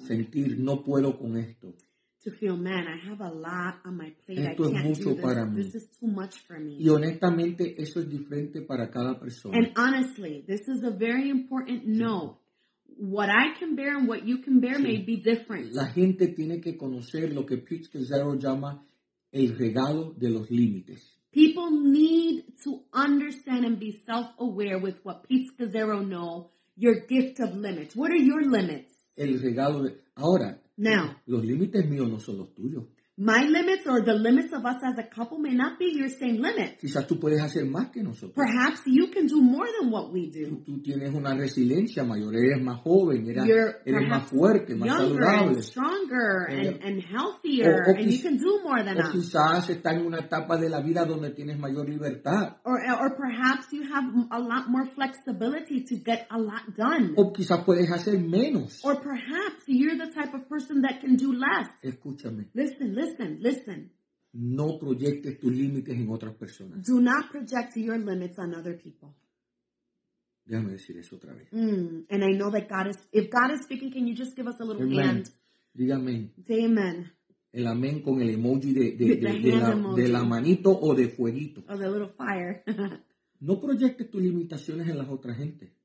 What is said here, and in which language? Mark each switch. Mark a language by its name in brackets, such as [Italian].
[Spanish] Sentir no puedo con esto. [English] To feel, man, I have a lot on my plate. [Spanish] Esto [English] I can't [Spanish] es mucho [English] do this. [Spanish] Para mí. [English] This is too much for me. [Spanish] Y honestamente, eso es diferente para cada persona. [English] And honestly, this is a very important note. What I can bear and what you can bear may be different. [Spanish] La gente tiene que conocer lo que Pete Scazzaro llama el regalo de los límites. [English] People need to understand and be self-aware with what Pete Scazzaro know, your gift of limits. What are your limits? [Spanish] El regalo de, ahora, [English] now, [Spanish] los límites míos no son los tuyos. [English] My limits or the limits of us as a couple may not be your same limits. [Spanish] Quizás tú puedes hacer más que nosotros. [English] Perhaps you can do more than what we do. [Spanish] Tú tienes una resiliencia mayor. Eres más joven. Eres más fuerte, más [English] younger, [Spanish] saludable. [English] And stronger and healthier. [Spanish] O [English] and you can do more than us. [Spanish] Quizás estás en una etapa de la vida donde tienes mayor libertad. [English] Or perhaps you have a lot more flexibility to get a lot done. [Spanish] O quizás puedes hacer menos. [English] Or perhaps you're the type of person that can do less. [Spanish] Escúchame. [English] Listen. [Spanish] No proyectes tus límites en otras personas. [English] Do not project your limits on other people. [Spanish] Déjame decir eso otra vez. [English] And I know that God is, if God is speaking, can you just give us a little amen. Hand? [Spanish] Dígame. [English] Say amen. [Spanish] El amén con el emoji de la manito o de fueguito. [English] Or the little fire. [Spanish] No proyectes tus limitaciones en las otras gente.